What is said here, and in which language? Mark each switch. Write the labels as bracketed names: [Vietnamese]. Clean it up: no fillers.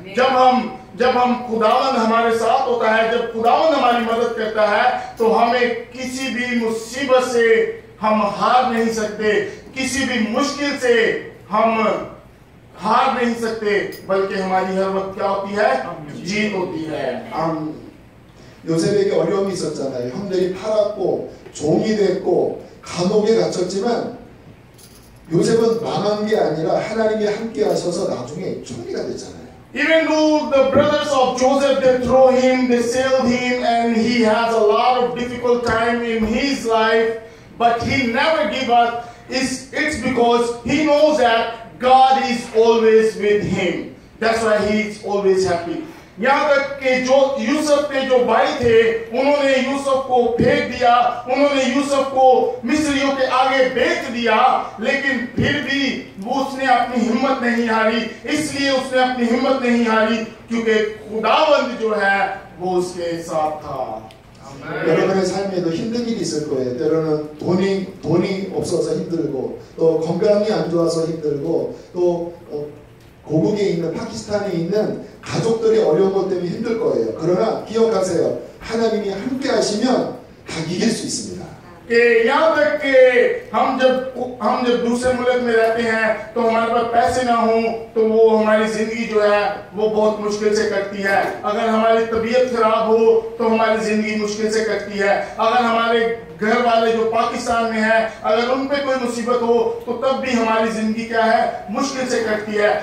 [Hindi] जब हम खुदावंद हमारे साथ होता है, जब खुदावंद हमारी मदद करता है, तो हमें किसी भी मुसीबत से हम हार नहीं सकते, किसी भी मुश्किल से हम हार नहीं सकते, बल्कि हमारी हर वक्त क्या होती है? जीत होती है. हम [Korean] योसेफ에게 어려움이 있었잖아요. 형들이 팔았고 종이 됐고 감옥에 갇혔지만 요셉은 망한 게 아니라 하나님이 함께 하셔서 나중에 총리가 됐잖아요. [English] Even though the brothers of Joseph they throw him, they sell him, and he has a lot of difficult time in his life, but he never give up. It's because he knows that God is always with him. That's why he is always happy. [Hindi] यहाँ तक के जो यूसुफ के जो भाई थे, उन्होंने यूसुफ को फेंक दिया, उन्होंने यूसुफ को मिस्रियों के आगे बेच दिया, लेकिन फिर भी उसने अपनी हिम्मत नहीं हारी. इसलिए उसने अपनी हिम्मत नहीं हारी क्योंकि खुदावंद जो है वो उसके साथ था. [Korean] 여러분의 삶에도 힘든 일이 있을 거예요. 때로는 돈이 없어서 힘들고, 또 건강이 안 좋아서 힘들고, 또 고국에 있는 파키스탄에 있는 가족들이 어려운 것 때문에 힘들 거예요. 그러나 기억하세요. 하나님이 함께 하시면 다 이길 수 있습니다. 예약할게. [Hindi] 함접 दूसरे मुल्क में रहते हैं तो हमारे पास पैसे ना हो तो वो हमारी जिंदगी जो है वो बहुत मुश्किल से कटती है. अगर हमारी तबीयत खराब हो तो हमारी जिंदगी मुश्किल से कटती है. अगर हमारे घर वाले जो पाकिस्तान में हैं, अगर उन पे कोई मुसीबत हो तो तब भी हमारी जिंदगी क्या है? मुश्किल से कटती है.